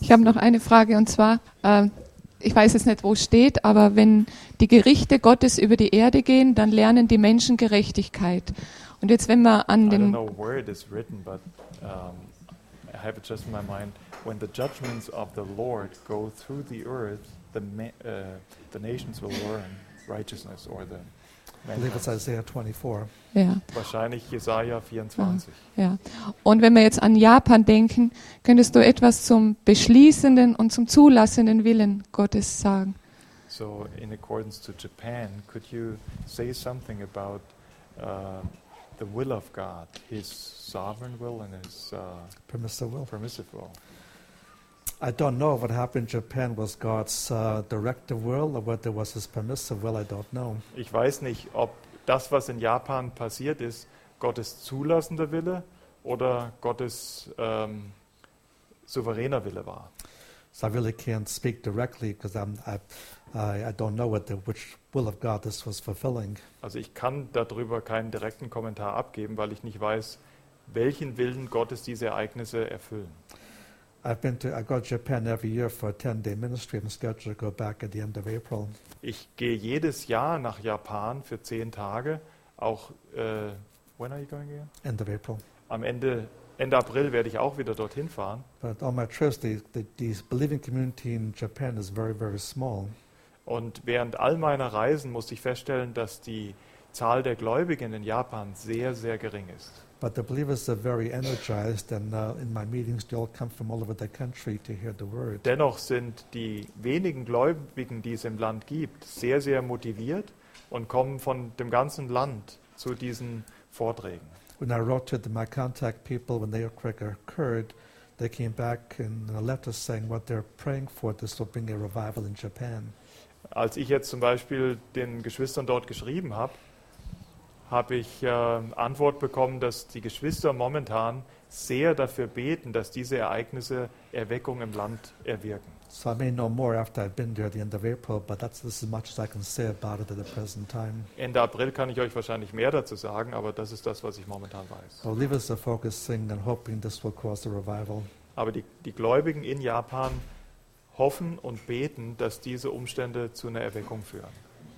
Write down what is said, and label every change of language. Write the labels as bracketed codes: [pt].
[de] Ich habe noch eine Frage, und zwar, ich weiß jetzt nicht, wo es steht, aber wenn die Gerichte Gottes über die Erde gehen, dann lernen die Menschen Gerechtigkeit. Und jetzt, wenn man an den... [en] I don't know where it is written, but I have it just in my mind. When the judgments of the Lord go through the earth, the nations will learn righteousness or the... I believe it's Isaiah 24. [de] Ja. Wahrscheinlich Jesaja 24. Ja. Und wenn wir jetzt an Japan denken, könntest du etwas zum beschließenden und zum zulassenden Willen Gottes sagen? [en] So, in accordance to Japan, could you say something about the will of God, his sovereign will and his permissive will? I don't know what happened in Japan, was God's directive will or whether it was his permissive will, I don't know. [de] Ich weiß nicht, ob das, was in Japan passiert ist, Gottes zulassender Wille oder Gottes souveräner Wille war. [en] So I really can't speak directly because I don't know which will of God this was fulfilling. [de] Also ich kann darüber keinen direkten Kommentar abgeben, weil ich nicht weiß, welchen Willen Gottes diese Ereignisse erfüllen. [en] I go to Japan every year for a 10-day ministry. I'm scheduled to go back at the end of April. [de] Ich gehe jedes Jahr nach Japan für 10 Tage. [en] Auch when are you going again? End of April. [de] Am Ende April werde ich auch wieder dorthin fahren. [en] But on my trips, the believing community in Japan is very, very small. [de] Und während all meiner Reisen musste ich feststellen, dass die Zahl der Gläubigen in Japan sehr, sehr gering ist. [en] But the believers are very energized, and in my meetings, they all come from all over the country to hear the word. [de] Dennoch sind die wenigen Gläubigen, die es im Land gibt, sehr, sehr motiviert und kommen von dem ganzen Land zu diesen Vorträgen. [en] When I wrote to my contact people when the earthquake occurred, they came back in a letter saying what they're praying for. This will bring a revival in Japan. [de] Als ich jetzt zum Beispiel den Geschwistern dort geschrieben habe, habe ich Antwort bekommen, dass die Geschwister momentan sehr dafür beten, dass diese Ereignisse Erweckung im Land erwirken. [en] So I may know more after I've been there at the end of April, but that's as much as I can say about it at the present time. [de] Ende April kann ich euch wahrscheinlich mehr dazu sagen, aber das ist das, was ich momentan weiß. [en] The believers are focusing and hoping this will cause a revival. [de] Aber die Gläubigen in Japan hoffen und beten, dass diese Umstände zu einer Erweckung führen.